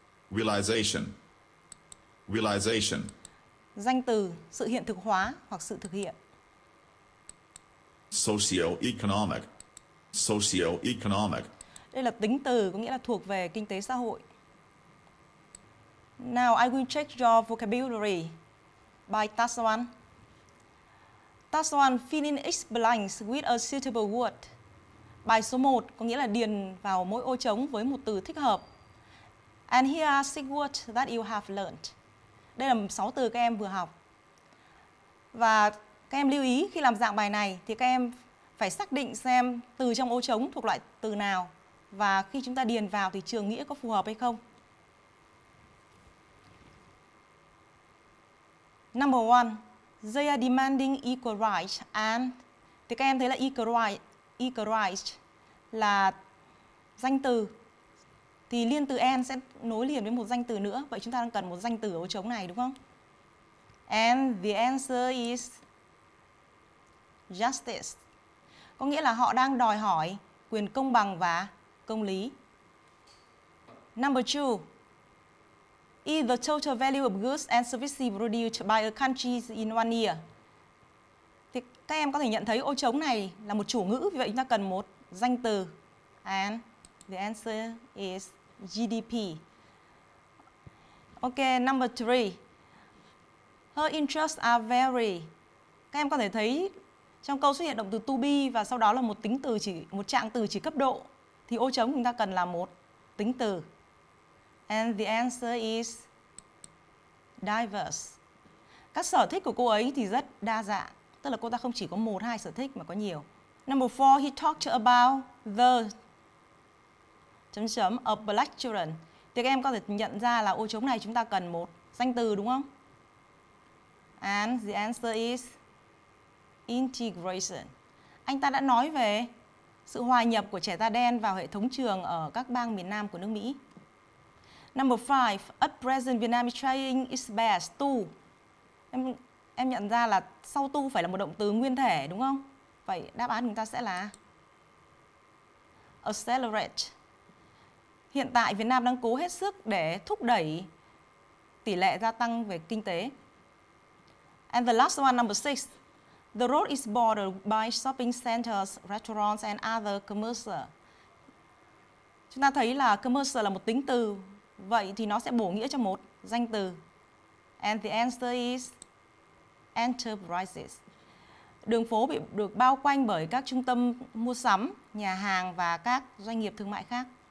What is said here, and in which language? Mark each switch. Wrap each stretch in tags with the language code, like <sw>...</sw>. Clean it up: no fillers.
<en>Realization. Realization.</en> <vi>Danh từ, sự hiện thực hóa hoặc sự thực hiện.</vi> <en>Socioeconomic. Socioeconomic.</en> <vi>Đây là tính từ có nghĩa là thuộc về kinh tế xã hội.</vi> <en>Now I will check your vocabulary by task one. Task 1, filling each blanks with a suitable word.</en> <vi>Bài số 1 có nghĩa là điền vào mỗi ô trống với một từ thích hợp.</vi> <en>And here are 6 words that you have learned.</en> <vi>Đây là 6 từ các em vừa học. Và các em lưu ý khi làm dạng bài này thì các em phải xác định xem từ trong ô trống thuộc loại từ nào và khi chúng ta điền vào thì trường nghĩa có phù hợp hay không.</vi> <en>Number 1, they are demanding equal rights and</en> <vi>thì các em thấy là equal rights là danh từ. Thì liên từ and sẽ nối liền với một danh từ nữa. Vậy chúng ta đang cần một danh từ ở ô trống này đúng không?</vi> <en>And the answer is justice.</en> <vi>Có nghĩa là họ đang đòi hỏi quyền công bằng và công lý.</vi> <en>Number 2. Is the total value of goods and services produced by a country in one year?</en> <vi>Thì các em có thể nhận thấy ô trống này là một chủ ngữ. Vì vậy chúng ta cần một danh từ.</vi> <en>And the answer is GDP. Ok, number 3. Her interests are very.</en> <vi>Các em có thể thấy trong câu xuất hiện động từ to be và sau đó là một tính từ chỉ một trạng từ chỉ cấp độ thì ô trống chúng ta cần là một tính từ.</vi> <en>And the answer is diverse.</en> <vi>Các sở thích của cô ấy thì rất đa dạng, tức là cô ta không chỉ có một hai sở thích mà có nhiều.</vi> <en>Number 4, he talked about the of black children.</en> <vi>Thì các em có thể nhận ra là ô trống này chúng ta cần một danh từ đúng không?</vi> <en>And the answer is integration.</en> <vi>Anh ta đã nói về sự hòa nhập của trẻ da đen vào hệ thống trường ở các bang miền Nam của nước Mỹ.</vi> <en>Number 5, at present Vietnam is trying its best to.</en> <vi>Em nhận ra là sau to phải là một động từ nguyên thể đúng không? Vậy đáp án chúng ta sẽ là accelerate. Hiện tại Việt Nam đang cố hết sức để thúc đẩy tỷ lệ gia tăng về kinh tế.</vi> <en>And the last one, number 6. The road is bordered by shopping centers, restaurants and other commercial.</en> <vi>Chúng ta thấy là commercial là một tính từ, vậy thì nó sẽ bổ nghĩa cho một danh từ.</vi> <en>And the answer is enterprises.</en> <vi>Đường phố bị được bao quanh bởi các trung tâm mua sắm, nhà hàng và các doanh nghiệp thương mại khác.</vi>